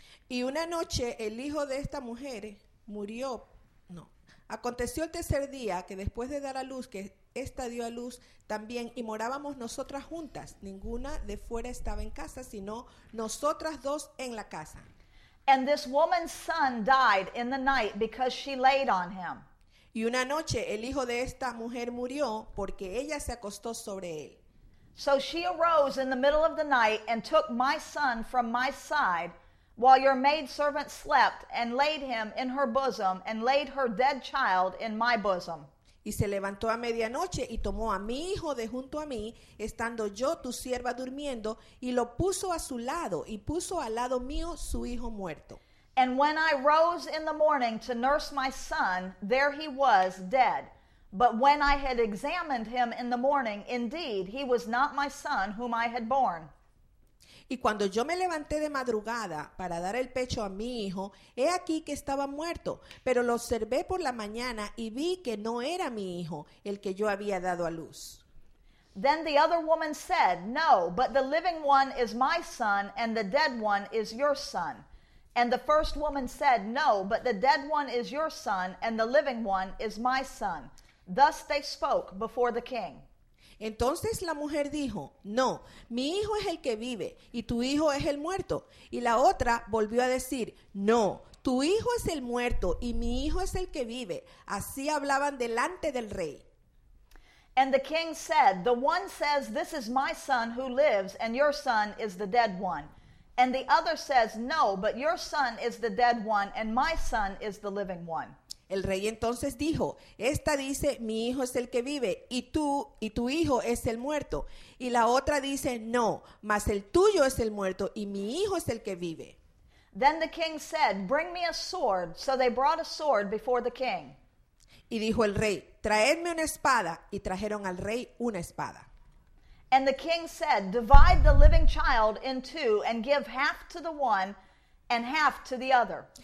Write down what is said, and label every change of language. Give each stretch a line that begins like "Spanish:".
Spanish: Y una noche el hijo de esta mujer murió. No. Aconteció el tercer día que después de dar a luz, que esta dio a luz también, y morábamos nosotras juntas. Ninguna de fuera estaba en casa, sino nosotras dos en la casa.
English: And this woman's son died in the night because she laid on him.
Spanish: Y una noche el hijo de esta mujer murió porque ella se acostó sobre él.
English: So she arose in the middle of the night and took my son from my side while your maidservant slept and laid him in her bosom and laid her dead child in my bosom.
Spanish: Y se levantó a medianoche y tomó a mi hijo de junto a mí, estando yo tu sierva durmiendo, y lo puso a su lado, y puso al lado mío su hijo muerto.
English: And when I rose in the morning to nurse my son, there he was dead. But when I had examined him in the morning, indeed he was not my son whom I had born.
Spanish: Y cuando yo me levanté de madrugada para dar el pecho a mi hijo, he aquí que estaba muerto, pero lo observé por la mañana y vi que no era mi hijo el que yo había dado a luz.
English: Then the other woman said, No, but the living one is my son and the dead one is your son. And the first woman said, No, but the dead one is your son and the living one is my son. Thus they spoke before the king.
Spanish: Entonces la mujer dijo, No, mi hijo es el que vive, y tu hijo es el muerto. Y la otra volvió a decir, No, tu hijo es el muerto, y mi hijo es el que vive. Así hablaban delante del rey.
English: And the king said, The one says, This is my son who lives, and your son is the dead one. And the other says, No, but your son is the dead one, and my son is the living one.
Spanish: El rey entonces dijo, Esta dice, mi hijo es el que vive, y tu hijo es el muerto. Y la otra dice, No, mas el tuyo es el muerto, y mi hijo es el que vive.
English: Then the king said, Bring me a sword. So they brought a sword before the king.
Spanish: Y dijo el rey, Traedme una espada. Y trajeron al rey una espada.
English: And the king said, Divide the living child in two, and give half to the one, and half to the other.